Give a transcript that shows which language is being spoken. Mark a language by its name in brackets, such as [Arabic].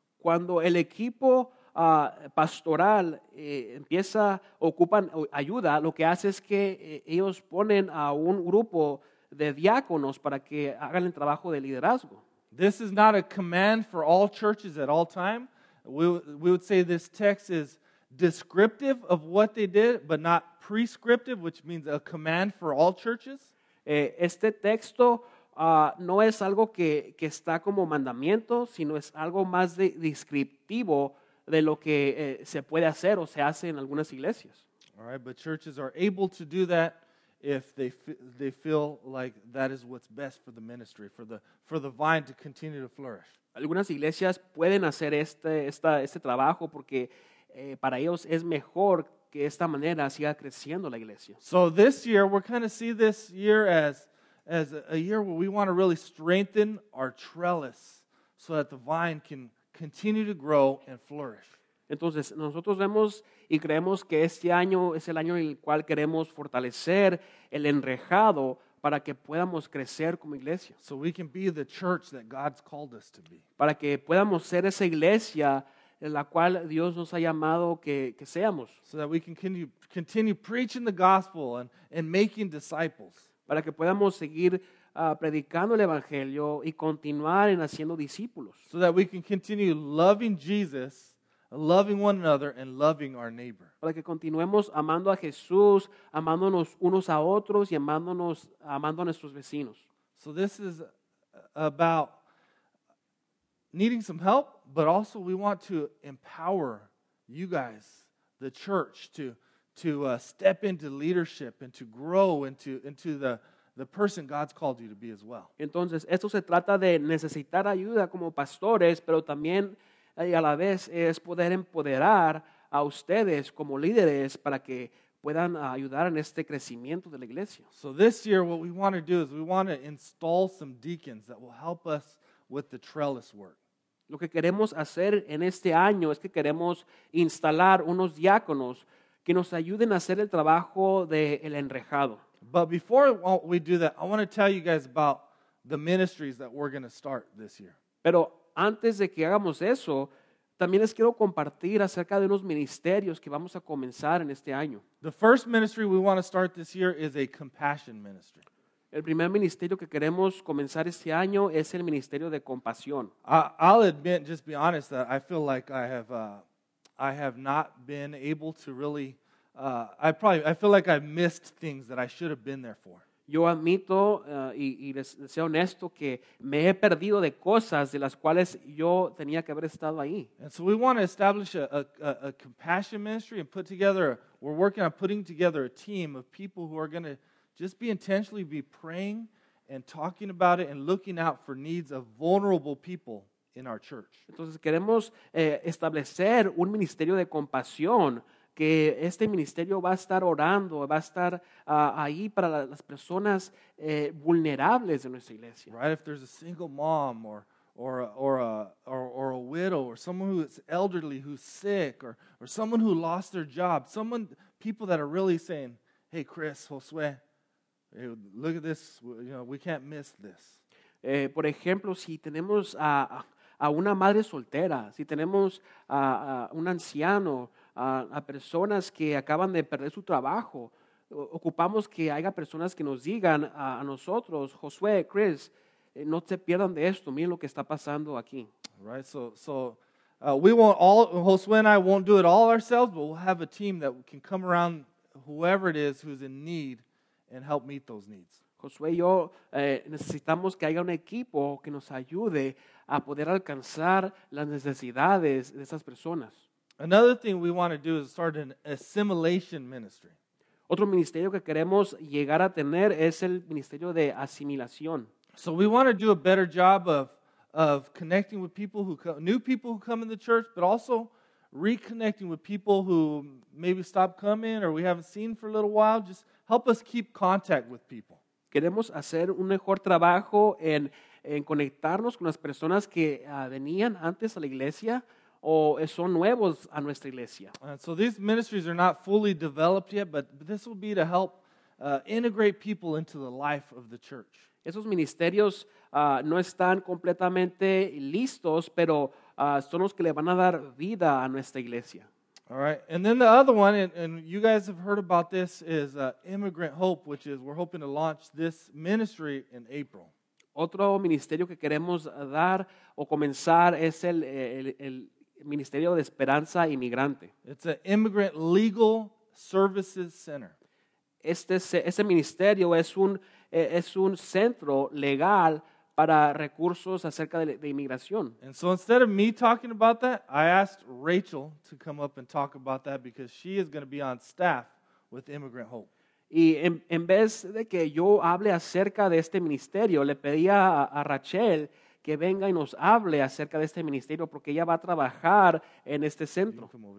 [Spanish] Cuando el equipo pastoral empieza, ocupan ayuda, lo que hace es que ellos ponen a un grupo de diáconos para que hagan el trabajo de liderazgo. [English] This is not a command for all churches at all time. We would say this text is descriptive of what they did, but not prescriptive, which means a command for all churches. [Spanish] Este texto no es algo que está como mandamiento, sino es algo más de descriptivo de lo que se puede hacer o se hace en algunas iglesias. [English] All right, but churches are able to do that if they feel like that is what's best for the ministry, for the vine to continue to flourish. [Spanish] Algunas iglesias pueden hacer este trabajo porque para ellos es mejor que esta manera siga creciendo la iglesia. [English] So this year, we're kind of see this year as a year where we want to really strengthen our trellis so that the vine can continue to grow and flourish. [Spanish] Entonces, nosotros vemos y creemos que este año es el año en el cual queremos fortalecer el enrejado para que podamos crecer como iglesia. [English] So we can be the church that God's called us to be. [Spanish] Para que podamos ser esa iglesia en la cual Dios nos ha llamado que seamos. [English] So that we can continue preaching the gospel and making disciples. [Spanish] Para que podamos seguir predicando el evangelio y continuar en haciendo discípulos. [English] So that we can continue loving Jesus, loving one another, and loving our neighbor. [Spanish] Para que continuemos amando a Jesús, amándonos unos a otros y amando a nuestros vecinos. [English] So this is about needing some help, but also we want to empower you guys, the church, to step into leadership and to grow into the person God's called you to be as well. [Spanish] Entonces, esto se trata de necesitar ayuda como pastores, pero también y a la vez es poder empoderar a ustedes como líderes para que puedan ayudar en este crecimiento de la iglesia. [English] So this year, what we want to do is we want to install some deacons that will help us with the trellis work. [Spanish] Lo que queremos hacer en este año es que queremos instalar unos diáconos que nos ayuden a hacer el trabajo del enrejado. [English] But before we do that, I want to tell you guys about the ministries that we're going to start this year. [Spanish] Pero antes de que hagamos eso, También les quiero compartir acerca de unos ministerios que vamos a comenzar en este año. [English] The first ministry we want to start this year is a compassion ministry. [Spanish] El primer ministerio que queremos comenzar este año es el ministerio de compasión. [English] I'll admit, just be honest, that I feel like I have not been able to really. I feel like I've missed things that I should have been there for. [Spanish] Yo admito y les sea honesto que me he perdido de cosas de las cuales yo tenía que haber estado ahí. [English] And so we want to establish a compassion ministry and we're working on putting together a team of people who are going to just be intentionally be praying and talking about it and looking out for needs of vulnerable people in our church. [Spanish] Entonces queremos establecer un ministerio de compasión, que este ministerio va a estar orando, va a estar ahí para las personas vulnerables de nuestra iglesia. [English] Right, if there's a single mom or a widow or someone who's elderly who's sick or someone who lost their job, people that are really saying, hey Chris, Josué, hey, look at this, you know, we can't miss this. [Spanish] Por ejemplo, si tenemos a una madre soltera, si tenemos a un anciano, a personas que acaban de perder su trabajo, ocupamos que haya personas que nos digan a nosotros, Josué, Chris, no se pierdan de esto, miren lo que está pasando aquí. [English] Right, we won't all, Josué and I won't do it all ourselves, but we'll have a team that can come around whoever it is who's in need and help meet those needs. [Spanish] Josué y yo necesitamos que haya un equipo que nos ayude a poder alcanzar las necesidades de esas personas. [English] Another thing we want to do is start an assimilation ministry. [Spanish] Otro ministerio que queremos llegar a tener es el ministerio de asimilación. [English] So we want to do a better job of connecting with people new people who come in the church, but also reconnecting with people who maybe stopped coming or we haven't seen for a little while. Just help us keep contact with people. [Spanish] Queremos hacer un mejor trabajo en conectarnos con las personas que venían antes a la iglesia o son nuevos a nuestra iglesia. [English] And so these ministries are not fully developed yet, but this will be to help integrate people into the life of the church. [Spanish] Esos ministerios no están completamente listos, pero son los que le van a dar vida a nuestra iglesia. [English] All right. And then the other one, and you guys have heard about this, is Immigrant Hope, which is we're hoping to launch this ministry in April. [Spanish] Otro ministerio que queremos dar o comenzar es el Ministerio de Esperanza Inmigrante. [English] It's an immigrant legal services center. [Spanish] Este ministerio es un centro legal para recursos acerca de inmigración. [English] And so instead of me talking about that, I asked Rachel to come up and talk about that because she is going to be on staff with Immigrant Hope. [Spanish] Y en vez de que yo hable acerca de este ministerio, le pedí a Rachel que venga y nos hable acerca de este ministerio porque ella va a trabajar en este centro.